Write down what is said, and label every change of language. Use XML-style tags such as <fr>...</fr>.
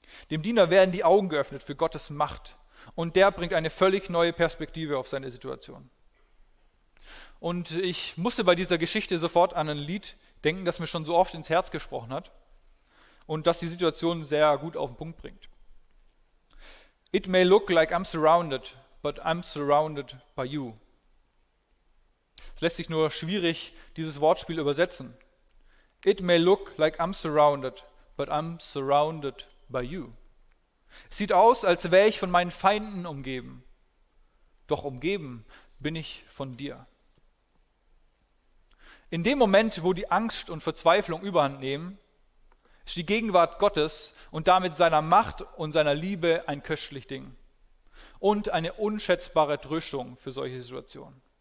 <de>Dem Diener werden die Augen geöffnet für Gottes Macht. Und der bringt eine völlig neue Perspektive auf seine Situation. Und ich musste bei dieser Geschichte sofort an ein Lied denken, das mir schon so oft ins Herz gesprochen hat und das die Situation sehr gut auf den Punkt bringt.</de> <en>It may look like I'm surrounded, but I'm surrounded by you.</en> <de>Es lässt sich nur schwierig dieses Wortspiel übersetzen.</de> <en>It may look like I'm surrounded, but I'm surrounded by you.</en> <de>Es sieht aus, als wäre ich von meinen Feinden umgeben, doch umgeben bin ich von dir. In dem Moment, wo die Angst und Verzweiflung überhand nehmen, ist die Gegenwart Gottes und damit seiner Macht und seiner Liebe ein köstlich Ding und eine unschätzbare Tröstung für solche Situationen.</de>